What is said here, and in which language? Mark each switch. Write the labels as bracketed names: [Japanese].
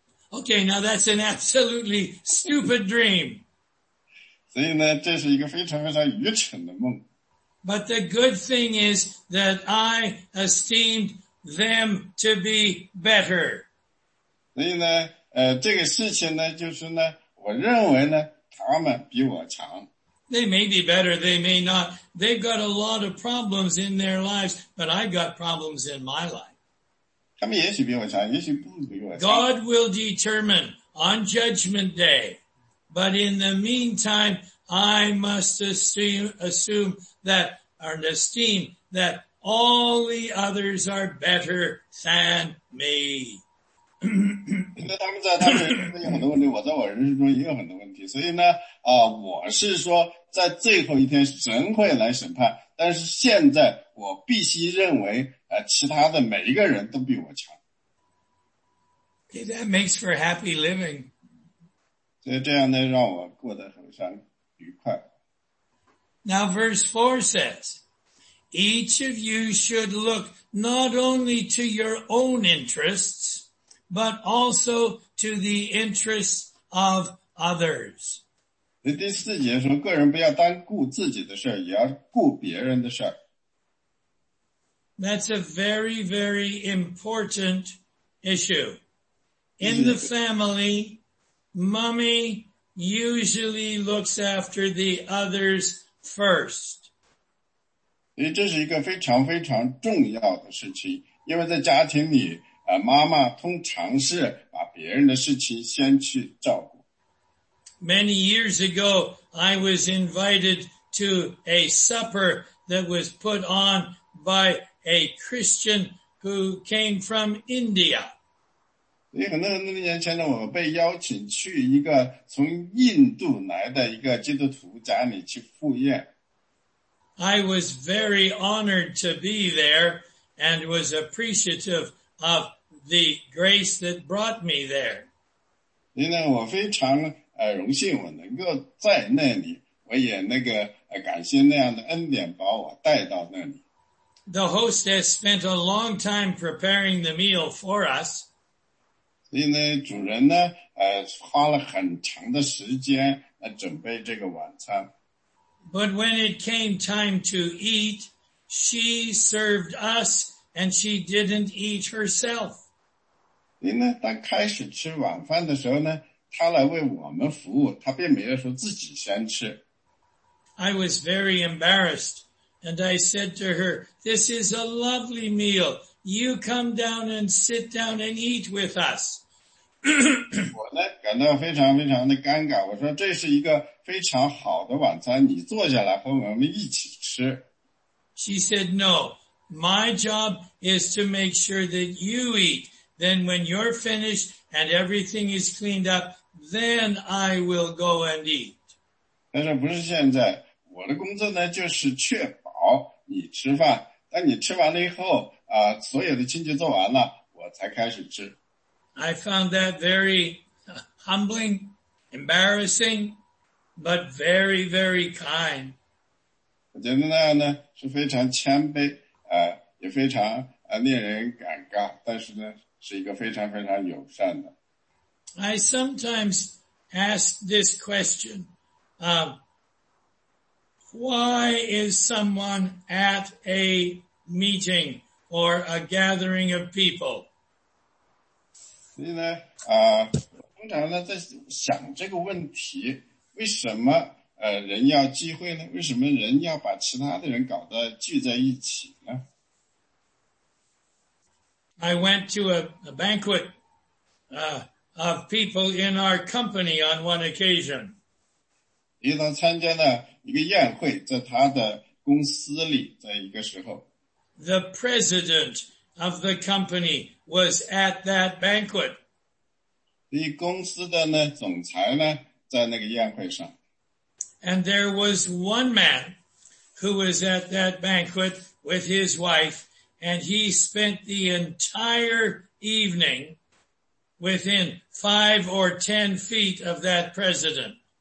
[English] Okay, now that's an absolutely stupid dream. [Chinese] 所以呢，这是一个非常非常愚蠢的梦。 [English] But the good thing is that I esteemed them to be better. [Chinese] 所以呢，这个事情呢，就是呢，我认为呢，他们比我强。 [English] They may be better, they may not. They've got a lot of problems in their lives, but I've got problems in my life. [Chinese] 他们也许比我强，也许不比我强。 [English] God will determine on judgment day, but in the meantime, I must esteem that all the others are better than me. [Chinese] 那他们在他们人生有很多问题，我在我人生中也有很多问题，所以呢，我是说，在最后一天神会来审判，但是现在我必须认为其他的每一个人都比我强。 [English] Okay, that makes for happy living. [Chinese] 所以这样呢让我过得很像愉快。 [English] Now verse 4 says, each of you should look not only to your own interests, but also to the interests of others. [Chinese] 第四节说个人不要单顾自己的事儿，也要顾别人的事儿。 [English] That's a very, very important issue. In the family, mommy usually looks after the others first. [Chinese] 这是一个非常非常重要的事情，因为在家庭里，妈妈通常是把别人的事情先去照顾。 [English] Many years ago, I was invited to a supper that was put on by a Christian who came from India. [Chinese] 很多年前呢，我被邀请去一个从印度来的一个基督徒家里去赴宴。 [English] I was very honored to be there and was appreciative of the grace that brought me there. [Chinese] 因为我非常荣幸我能够在那里，我也感谢那样的恩典把我带到那里。 [English] The hostess spent a long time preparing the meal for us. [Chinese] 所以呢，主人呢，花了很长的时间来准备这个晚餐。 [English] But when it came time to eat, she served us and she didn't eat herself. [Chinese] 所以呢，当开始吃晚饭的时候呢，他来为我们服务，他并没有说自己先吃。 [English] I was very embarrassed, and I said to her, "This is a lovely meal. You come down and sit down and eat with us." [Chinese] 我呢感到非常非常的尴尬。我说这是一个非常好的晚餐，你坐下来和我们一起吃。 [English] She said, "No, my job is to make sure that you eat. Then when you're finished." And everything is cleaned up, then I will go and eat. [Chinese] 但是不是现在，我的工作呢，就是确保你吃饭。当你吃完了以后，所有的清洁做完了，我才开始吃。 [English] I found that very humbling, embarrassing, but very, very kind. [Chinese] 我觉得那样呢，是非常谦卑，也非常令人尴尬，但是呢，是一个非常非常友善的。 [English] I sometimes ask this question, why is someone at a meeting or a gathering of people? [Chinese] 所以呢，通常呢在想这个问题，为什么人要聚会呢？为什么人要把其他的人搞得聚在一起呢？ [English] I went to a banquet, of people in our company on one occasion. [Chinese] 伊达参加了一个宴会，在他的公司里，在一个时候。 [English] The president of the company was at that banquet. [Chinese] 伊公司的呢，总裁呢，在那个宴会上。 [English] And there was one man who was at that banquet with his wife. And he spent the entire evening within 5 or 10 feet of that president.